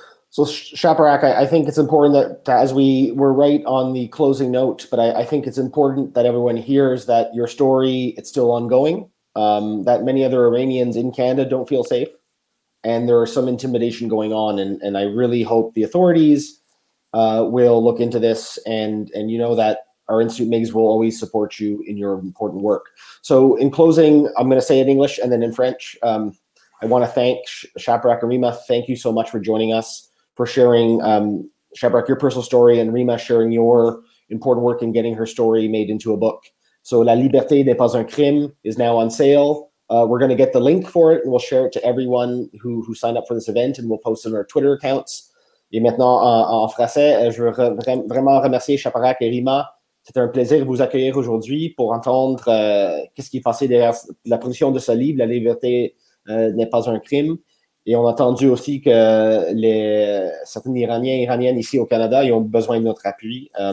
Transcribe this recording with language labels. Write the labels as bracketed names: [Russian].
[English] So Shaparak, I think it's important that as we're right on the closing note, but I think it's important that everyone hears that your story, it's still ongoing, that many other Iranians in Canada don't feel safe, and there are some intimidation going on, and I really hope the authorities will look into this, and you know that our Institute MIGS will always support you in your important work. So in closing, I'm going to say in English and then in French, I want to thank Shaparak and Rima. Thank you so much for joining us, for sharing, Shaparak, your personal story, and Rima sharing your important work in getting her story made into a book. So La Liberté n'est pas un crime is now on sale. We're going to get the link for it, and we'll share it to everyone who signed up for this event, and we'll post it on our Twitter accounts. [French] Et maintenant, en français, je veux vraiment remercier Shaparak et Rima. C'était un plaisir de vous accueillir aujourd'hui pour entendre qu'est-ce qui est passé derrière la production de ce livre, La Liberté n'est pas un crime. Et on a entendu aussi que certains Iraniens et Iraniennes ici au Canada, ils ont besoin de notre appui.